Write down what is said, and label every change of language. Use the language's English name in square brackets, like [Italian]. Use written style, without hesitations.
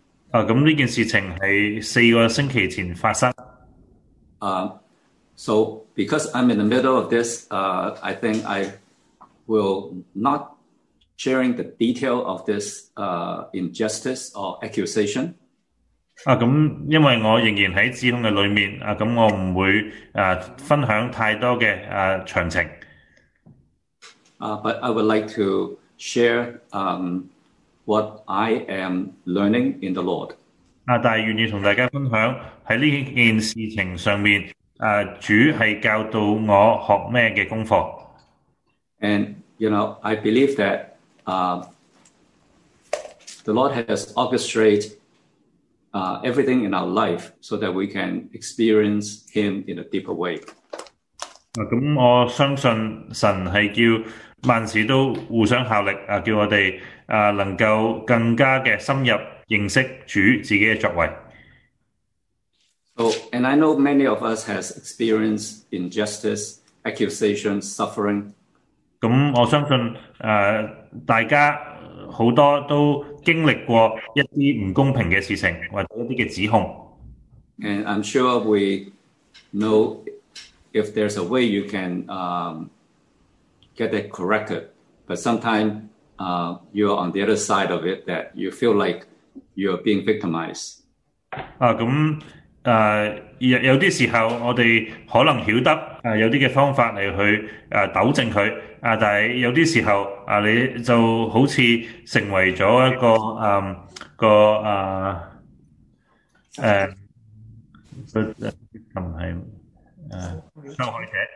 [Cantonese] 咁呢件事情系四个星期前发生。 [English] So because I'm in the middle of this, I think I will not sharing the detail of this injustice or accusation. [Cantonese] 咁因为我仍然喺指控嘅里面，咁我唔会分享太多嘅详情。 [English] But I would like to share what I am learning in the Lord. [Cantonese] 但系愿意同大家分享喺呢件事情上面，主系教导我学咩嘅功课。 [English] And you know, I believe that the Lord has orchestrated everything in our life so that we can experience Him in a deeper way. [Cantonese] 咁我相信神系叫万事都互相效力，叫我哋能够更加嘅深入认识主自己嘅作为。 [English] So, and I know many of us has experienced injustice, accusation, suffering. [Cantonese] 咁我相信大家好多都经历过一啲唔公平嘅事情或者一啲嘅指控。 [English] And I'm sure we know if there's a way you can get that corrected, but sometimes you're on the other side of it that you feel like you're being victimized. [Cantonese] 咁有啲时候我哋可能晓得有啲嘅方法嚟去纠正佢，但系有啲时候你就好似成为咗一个受害者。